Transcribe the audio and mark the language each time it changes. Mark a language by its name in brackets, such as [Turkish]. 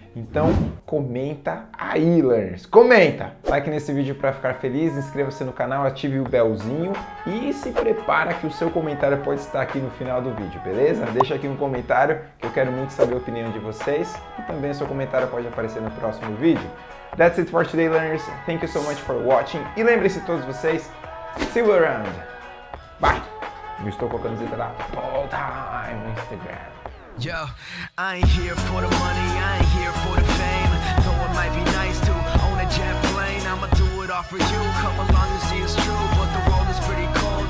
[Portuguese] Então, comenta aí, learners. Comenta! Like nesse vídeo para ficar feliz, inscreva-se no canal, ative o belzinho e se prepara que o seu comentário pode estar aqui no final do vídeo, beleza? Deixa aqui um comentário que eu quero muito saber a opinião de vocês e também seu comentário pode aparecer no próximo vídeo. [English] That's it for today, learners. Thank you so much for watching. [Portuguese] E lembre-se todos vocês, [English] see you around. Bye! [Portuguese] Eu estou com a camiseta da Paul Time no Instagram. [English] Yo, I ain't here for the money, I ain't here for the fame. Though it might be nice to own a jet plane, I'ma do it all for you. Come along and see it's true, but the world is pretty cool.